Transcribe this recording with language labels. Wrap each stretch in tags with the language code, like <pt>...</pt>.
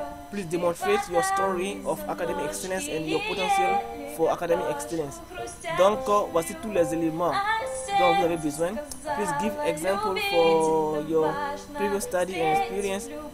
<en>Please demonstrate your story of Academic Excellence and your potential for Academic Excellence.</en> <fr>Donc, voici tous les éléments dont vous avez besoin.</fr> <en>Please give example for your previous study and experience.</en>